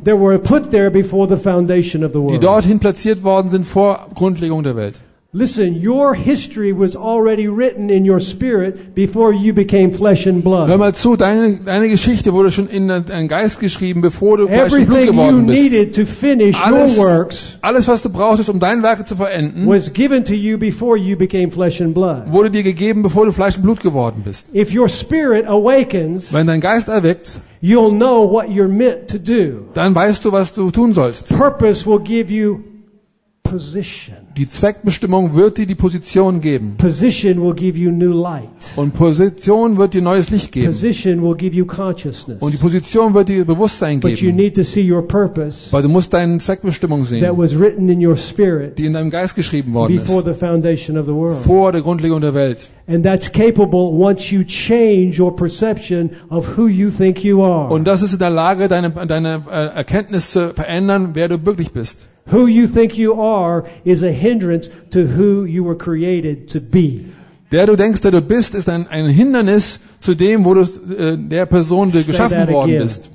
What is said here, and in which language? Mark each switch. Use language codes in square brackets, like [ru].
[en] that were put there before the foundation of the world. [de] Die dorthin platziert worden sind vor Grundlegung der Welt. [en] Listen, your history was already written in your spirit before you became flesh and blood. [de] Hör mal zu, deine Geschichte wurde schon in deinen Geist geschrieben, bevor du Fleisch und Blut geworden bist. [en] Everything you needed to finish your works, [de] alles was du brauchtest, um dein Werk zu vollenden, [en] was given to you before you became flesh and blood. [de] Wurde dir gegeben, bevor du Fleisch und Blut geworden bist. [en] If your spirit awakens, [de] wenn dein Geist erweckt, [en] you'll know what you're meant to do. [de] Dann weißt du, was du tun sollst. [en] Purpose will give you position. [de] Die Zweckbestimmung wird dir die Position geben. [en] Position will give you new light. [de] Und Position wird dir neues Licht geben. [en] Position will give you consciousness. [de] Und die Position wird dir Bewusstsein geben. [en] But you need to see your purpose, [de] weil du musst deine Zweckbestimmung sehen, [en] that was written in your spirit, [de] die in deinem Geist geschrieben worden ist, [en] before the foundation of the world. [de] Vor der Grundlegung der Welt. [en] And that's capable once you change your perception of who you think you are. [de] Und das ist in der Lage, deine Erkenntnis zu verändern, wer du wirklich bist. [en] Who you think you are is a hindrance to who you were created to be. [de] Wer du denkst, der du bist, ist ein Hindernis zu dem, wo du der Person, der geschaffen worden bist.